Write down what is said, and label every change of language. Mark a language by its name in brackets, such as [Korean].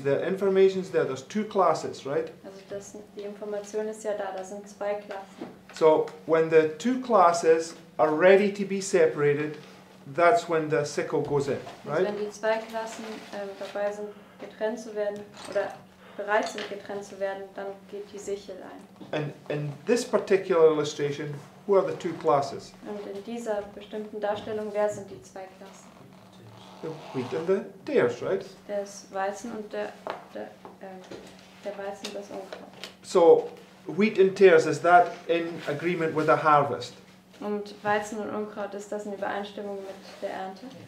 [English] The information is there. There's two classes, right? [German] Also das, die Information ist ja da. Da sind zwei Klassen. [English] So when the two classes are ready to be separated, that's when the sickle goes in, right? [German] Also wenn die zwei Klassen dabei sind, getrennt zu werden, oder bereit sind, getrennt zu werden, dann geht die Sichel ein. [English] And in this particular illustration, who are the two classes? [German] Und in dieser bestimmten Darstellung, wer sind die zwei Klassen? [English] The wheat and the tares, right? [German] Das Weizen und der Weizen, das Unkraut. [English] So, wheat and tares, is that in agreement with the harvest? [German] Und Weizen und Unkraut, ist das in Übereinstimmung mit der Ernte?